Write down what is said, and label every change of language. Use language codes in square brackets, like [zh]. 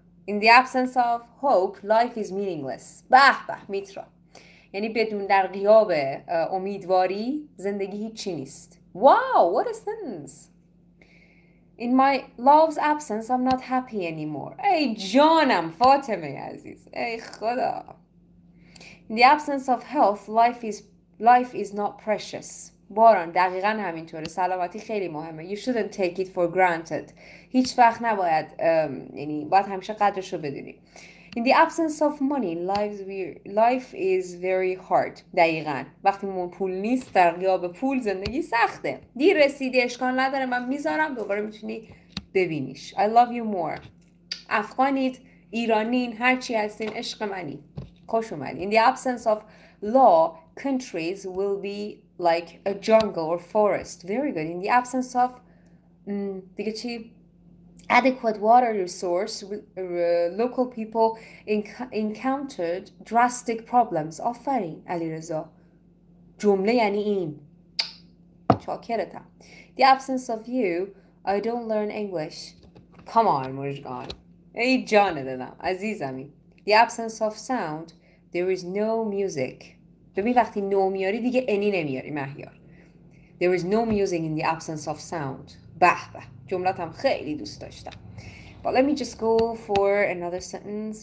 [en] In the absence of hope, life is meaningless. بح بح, میترا. [fa] یعنی بدون در غیاب امیدواری, زندگی هیچی نیست. [en] Wow, what a sentence. In my love's absence, I'm not happy anymore. [fa] Ey, جانم, فاطمه عزیز. Ey, خدا. [en] In the absence of health, life is not precious. [fa] باران, دقیقا همینطوره. سلامتی خیلی مهمه. [en] You shouldn't take it for granted. [fa] هیچ وقت نباید, یعنی باید همیشه قدرشو بدونی. [en] In the absence of money, life is very hard. [fa] دقیقا. وقتی من پول نیست, در غیاب پول زندگی سخته. دیر رسیدی, اشکال نداره, من میذارم, دوباره میتونی ببینیش. [en] I love you more. [fa] افغانید, ایرانین, هرچی هستین, عشق منی. خوش اومدی. [en] In the absence of law, countries will be like a jungle or forest. Very good. In the absence of [fa] دیگه چی? [en] Adequate water resource, local people encountered drastic problems. [fa] آفرین علیرضا. جمله یعنی این. چاکرتم. [en] The absence of you, I don't learn English. Come on, [fa] مرشگان. ای جان دلم. عزیزمی. [en] The absence of sound, there is no music. [fa] ببین وقتی نو میاری دیگه اینی نمیاری مهیار. [en] There is no music in the absence of sound. [fa] بح بح. جملت هم خیلی دوست داشتم. [en] But let me just go for another sentence.